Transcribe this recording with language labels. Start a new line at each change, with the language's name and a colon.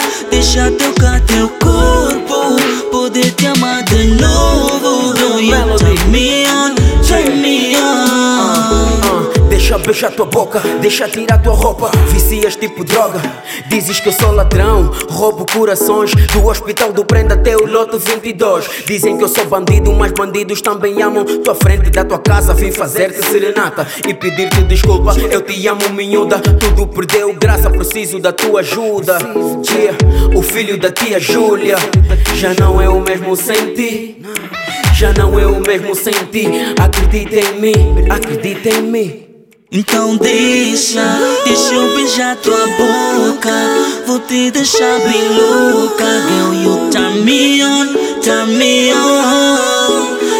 Portuguese: Deixa tocar teu corpo. Poder te amar de novo.
English: Girl, you turn me on, turn me on.
Portuguese: Deixa beijar tua boca, deixa tirar tua roupa. Vicias tipo droga, dizes que eu sou ladrão. Roubo corações do hospital do prenda até o lote 22. Dizem que eu sou bandido, mas bandidos também amam tua frente da tua casa. Vim fazer-te serenata e pedir-te desculpa. Eu te amo, minhuda, tudo perdeu graça. Preciso da tua ajuda, tia, o filho da tia Júlia. Já não é o mesmo sem ti. Já não é o mesmo sem ti. Acredita em mim, acredita em mim. Então deixa eu beijar tua boca. Vou te deixar bem louca.
English: Girl, you turn me on, turn me on.